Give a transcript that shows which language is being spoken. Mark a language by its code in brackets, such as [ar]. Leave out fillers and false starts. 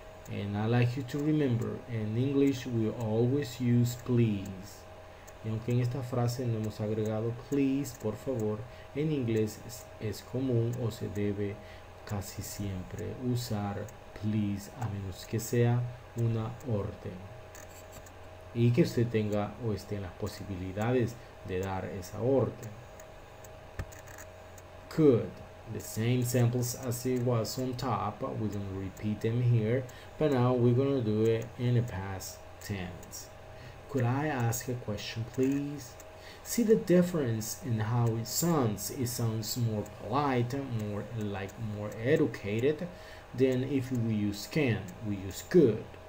[en] And I like you to remember, in English we always use please. [es] Y aunque en esta frase no hemos agregado please, por favor, en inglés es común o se debe casi siempre usar please, a menos que sea una orden y que usted tenga o esté en las posibilidades de dar esa orden. [en] Could. The same samples as it was on top, we're going to repeat them here, but now we're going to do it in the past tense. Could I ask a question, please? See the difference in how it sounds. It sounds more polite, more like more educated than if we use can. We use could.